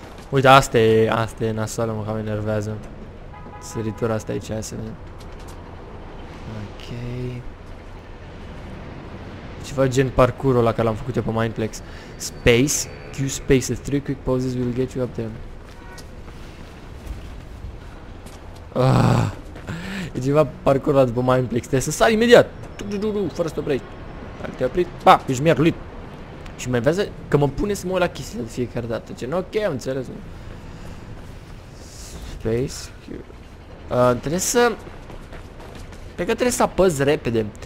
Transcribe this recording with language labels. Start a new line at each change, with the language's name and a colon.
Romanian: Uite, asta e, asta e nasoală, mă, cam enervează. Săritura asta aici, hai să vedem. Ok. Ceva gen parcurul ăla care l-am făcut eu pe Mindplex.
English: Space, Q space, the three quick pauses will get you up there.
Romanian: E ceva parcurul ăla după Mindplex, trebuie să sari imediat. Fără să te oprești. Dacă te-ai oprit, pa, ești mierlit. Și mai vezi că mă pune să mă uit la chestia de fiecare dată. Gen, ok, am înțeles. Space, Q. Trebuie să... Cred că trebuie să apăs repede.